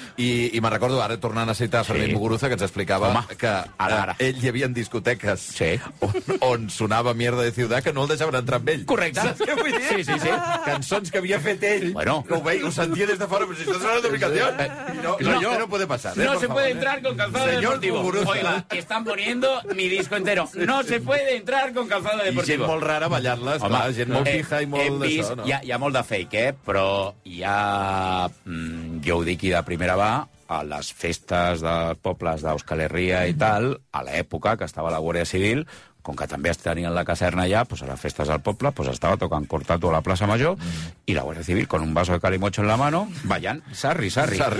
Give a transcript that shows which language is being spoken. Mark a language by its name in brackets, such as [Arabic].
[Catalan] I me recordo ara tornant a citar Fermín Muguruza, que ens explicava que ara. Ell hi havia discoteques on sonava Mierda de Ciudad que no el deixaven entrar amb ell. Correcte. Saps què vull dir? Sí. Cançons que havia fet ell, que ho sentia des de fora, però si estàs sonant una canció, no pode passar. [Spanish] No se puede entrar con calzado señor deportivo. Muguruza. Oiga, están poniendo mi disco entero. No se puede entrar con calzado deportivo. [Catalan] I gent molt rara ballar-les, clar, gent molt fija i molt d'això, no? Hi ha molt de fake, però hi ha, jo ho dic i de primera va, a les festes dels pobles d'Euskal Herria i tal, a l'època que estava la Guàrdia Civil, com que també es tenien la caserna allà, pues a les festes del poble, pues estava tocant Cortato a la plaça Major i la Guàrdia Civil, [Spanish] con un vaso de calimocho en la mano, [Catalan] ballant sarri-sarri.